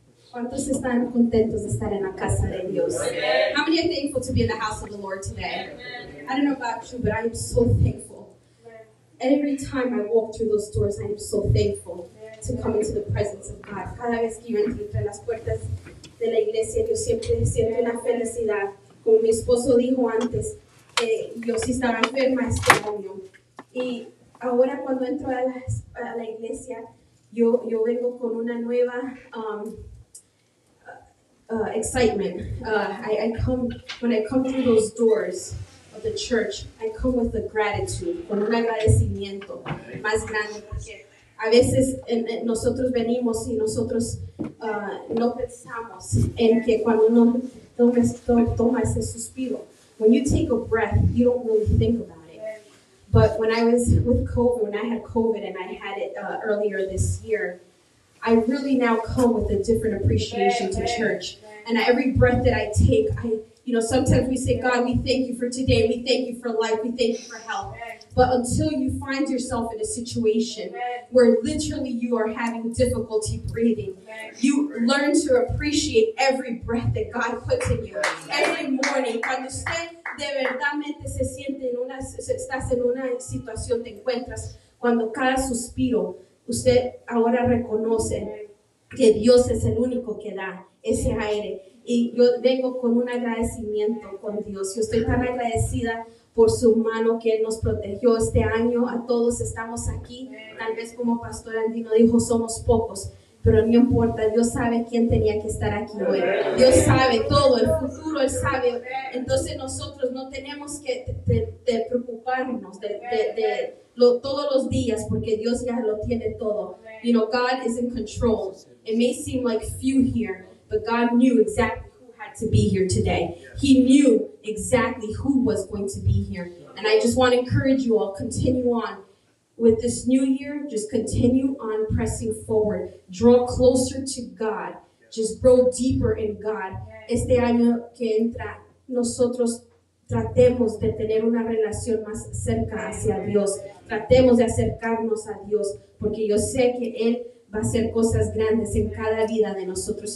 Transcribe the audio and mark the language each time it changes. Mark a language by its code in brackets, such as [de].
[es] ¿Cuántos están contentos de estar en la casa de Dios? [en] Amen. How many are thankful to be in the house of the Lord today? Amen. I don't know about you, but I am so thankful. Amen. Every time I walk through those doors, I am so thankful. Amen. To come into the presence of God. [es] Cada vez que yo entro en las puertas de la iglesia, yo siempre siento una felicidad. Como mi esposo dijo antes, yo sí estaba enferma este año. Y ahora cuando entro a la iglesia, yo vengo con una nueva... [en] excitement. I come through those doors of the church, I come with a gratitude, [es] con un agradecimiento más grande. A veces nosotros venimos y nosotros no pensamos en que cuando uno toma ese suspiro. [en] When you take a breath, you don't really think about it. But when I was with COVID, when I had COVID and I had it earlier this year, I really now come with a different appreciation to church. And every breath that I take, sometimes we say, God, we thank you for today. We thank you for life. We thank you for health. But until you find yourself in a situation where literally you are having difficulty breathing, you learn to appreciate every breath that God puts in you. Every morning, [es] cuando usted de verdadmente se siente en una, estás en una situación, te encuentras, cuando cada suspiro, usted ahora reconoce que Dios es el único que da ese aire y yo vengo con un agradecimiento con Dios. Yo estoy tan agradecida por su mano que Él nos protegió este año. A todos estamos aquí. Tal vez como Pastor Andino dijo, somos pocos, pero no importa. Dios sabe quién tenía que estar aquí hoy. Dios sabe todo, el futuro Él sabe. Entonces nosotros no tenemos que preocuparnos todos los días, porque Dios ya lo tiene todo. [en] You know, God is in control. It may seem like few here, but God knew exactly who had to be here today. He knew exactly who was going to be here. And I just want to encourage you all, continue on. With this new year, just continue on pressing forward. Draw closer to God. Just grow deeper in God. [es] Este año que entra, nosotros tratemos de tener una relación más cerca hacia Dios. Tratemos de acercarnos a Dios, porque yo sé que Él va a hacer cosas grandes en cada vida de nosotros.